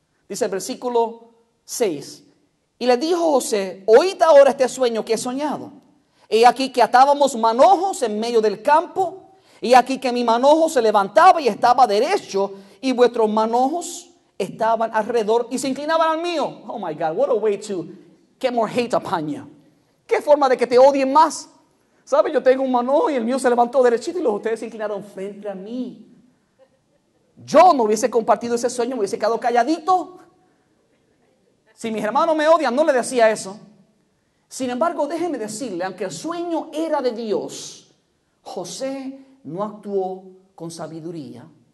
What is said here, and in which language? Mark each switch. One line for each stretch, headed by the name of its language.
Spanish: Dice el versículo 6. Y le dijo José, oíd ahora este sueño que he soñado. He aquí que atábamos manojos en medio del campo, y aquí que mi manojo se levantaba y estaba derecho, y vuestros manojos estaban alrededor y se inclinaban al mío.
English: Oh my God, what a way to get more hate upon you.
Spanish: ¿Qué forma de que te odien más? ¿Sabes? Yo tengo un manojo y el mío se levantó derechito y los ustedes se inclinaron frente a mí. Yo no hubiese compartido ese sueño, me hubiese quedado calladito. Si mis hermanos me odian, no le decía eso. Sin embargo, déjeme decirle, aunque el sueño era de Dios, José no actuó con sabiduría.